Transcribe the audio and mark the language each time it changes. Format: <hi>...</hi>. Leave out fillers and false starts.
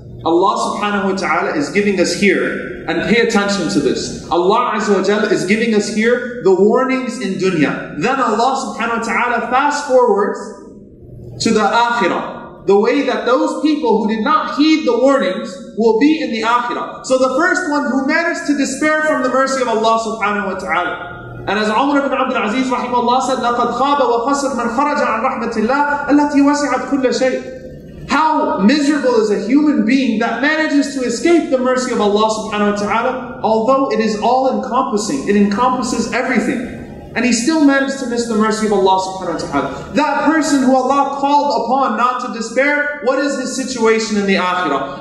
<en>Allah subhanahu wa ta'ala is giving us here, and pay attention to this. Allah azza wa jalla is giving us here the warnings in dunya. Then Allah subhanahu wa ta'ala fast forwards to the akhirah. The way that those people who did not heed the warnings will be in the akhirah. So the first one who managed to despair from the mercy of Allah subhanahu wa ta'ala. And as Umar ibn Abdul Aziz rahimahullah said,</en> <ar>لَقَدْ خَابَ وَخَسَرْ مَنْ خَرَجَ عَنْ رَحْمَةِ اللَّهِ الَّتِي وَسِعَتْ كُلَّ شَيْءٍ.</ar> <en>How miserable is a human being that manages to escape the mercy of Allah subhanahu wa ta'ala, although it is all encompassing, it encompasses everything. And he still managed to miss the mercy of Allah subhanahu wa ta'ala. That person who Allah called upon not to despair, what is his situation in the akhirah?</en>